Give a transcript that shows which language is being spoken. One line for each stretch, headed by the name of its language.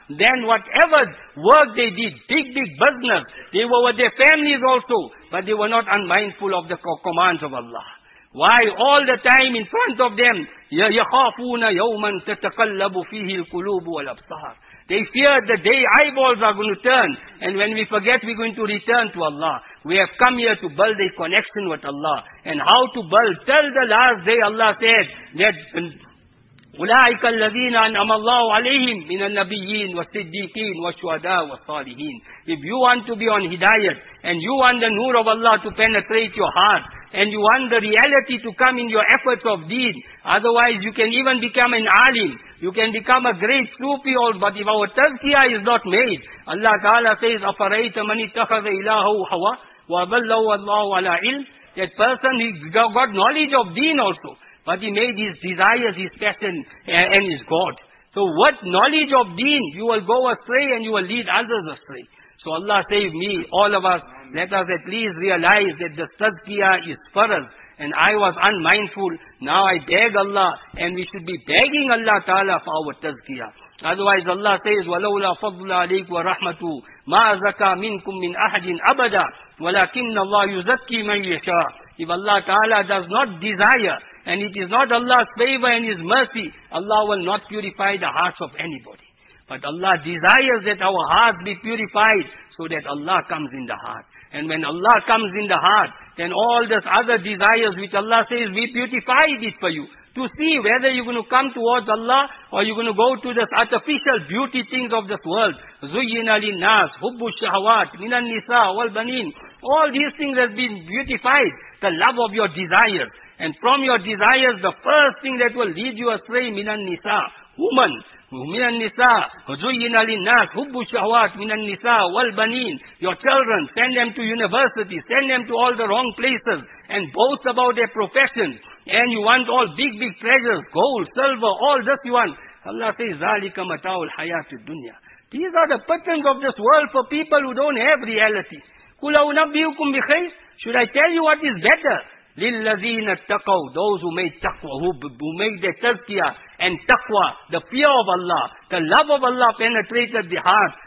English: Then whatever work they did, big, big business, they were with their families also, but they were not unmindful of the commands of Allah. Why all the time in front of them,
Arabic: يَخَافُونَ يَوْمًا تَتَقَلَّبُ فِيهِ الْقُلُوبُ وَالْأَبْصَارُ.
English: They fear the day eyeballs are going to turn. And when we forget, we're going to return to Allah. We have come here to build a connection with Allah. And how to build? Till the last day Allah said that
Arabic: أُولَٰئِكَ الَّذِينَ أَنْعَمَ اللَّهُ عَلَيْهِمْ مِنَ النَّبِيِّينَ وَالصِّدِّيقِينَ وَالشُّهَدَاءَ وَالصَّالِحِينَ.
English: If you want to be on hidayat and you want the nur of Allah to penetrate your heart and you want the reality to come in your efforts of deed, otherwise you can even become an alim. You can become a great Sufi old, but if our tazkiyah is not made, Allah Ta'ala says,
Arabic: أَفَرَيْتَ مَنِ اتَّخَذَ إِلَٰهُ هَوَى وَضَلَّهُ اللَّهُ عَلَىٰ عِلْمٍ.
English: That person, he got knowledge of deen also, but he made his desires his passion and his God. So what knowledge of deen? You will go astray and you will lead others astray. So Allah save me, all of us, let us at least realize that the tazkiyah is for us. And I was unmindful, now I beg Allah, and we should be begging Allah Ta'ala for our tazkiyah. Otherwise Allah says,
Arabic: وَلَوْلَا فَضْلَ عَلَيْكُ وَرَحْمَتُ مَا زَكَى مِنْكُمْ مِنْ أَحَدٍ أَبَدًا وَلَكِنَّ اللَّهُ يُزَكِّي مَنْ يَشَاءُ.
English: If Allah Ta'ala does not desire, and it is not Allah's favor and His mercy, Allah will not purify the hearts of anybody. But Allah desires that our hearts be purified, so that Allah comes in the heart. And when Allah comes in the heart, then all these other desires which Allah says, we beautified it for you. To see whether you're going to come towards Allah or you're going to go to the artificial beauty things of this world.
Arabic: زُيِّنَ لِلنَّاسِ حُبُّ الشَّهَوَاتِ مِنَ النِّسَاءِ وَالْبَنِينَ.
English: All these things have been beautified. The love of your desires. And from your desires, the first thing that will lead you astray,
Arabic: مِنَ النِّسَاءِ.
English: Woman.
Arabic: مِنَ النِّسَاءِ زُيِّنَ لِلنَّاسِ حُبُّ الشَّهَوَاتِ مِنَ النِّسَاءِ وَالْبَنِينَ.
English: Your children, send them to university, send them to all the wrong places, and boast about their profession. And you want all big, big treasures, gold, silver, all this you want. Allah says,
Arabic: ذَلِكَ مَتَاعُ الْحَيَاةِ الدُّنْيَا.
English: These are the patterns of this world for people who don't have reality.
Arabic: قُلَ أُنَبِّئُكُمْ بِخَيْرٍ.
English: Should I tell you what is better?
Arabic: لِلَّذِينَ اتَّقَوْا.
English: Those who made taqwa, who made their tazkiyah and taqwa, the fear of Allah, the love of Allah penetrated the heart.